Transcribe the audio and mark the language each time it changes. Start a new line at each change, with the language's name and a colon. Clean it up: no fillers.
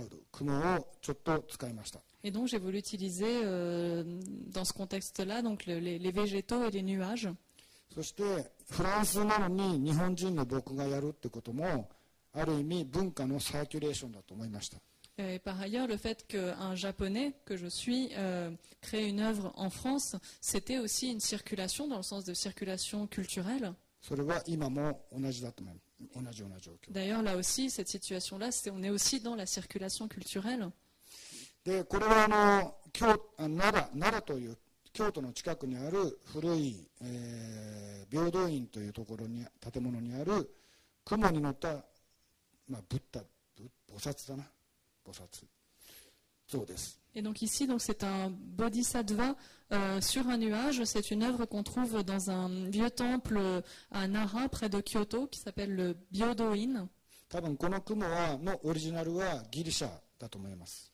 Japanese: 雲をちょっと使いました。
French: Et donc j'ai voulu utiliser dans ce contexte-là donc les végétaux et les nuages.
Japanese: そしてフランスなのに日本人の僕がやるってこともある意味文化のサーキュレーションだと思いました。
French: Et par ailleurs le fait que un japonais que je suis crée une œuvre en France, c'était aussi une circulation dans le sens de circulation culturelle.
Japanese: それは今も同じだと思います。同じ状況。
French: D'ailleurs, là aussi, cette situation-là, on est aussi dans la circulation culturelle.
Japanese: で、これはあの、奈良という京都の近くにある古い、平等院というところに建物にある雲に乗った、まあ、菩薩像です。
French: Et donc ici, donc c'est un bodhisattva sur un nuage. C'est une œuvre qu'on trouve dans un vieux temple à Nara, près de Kyoto, qui s'appelle le Byodo-in.
Japanese: 多分この雲はのオリジナルはギリシャだと思います。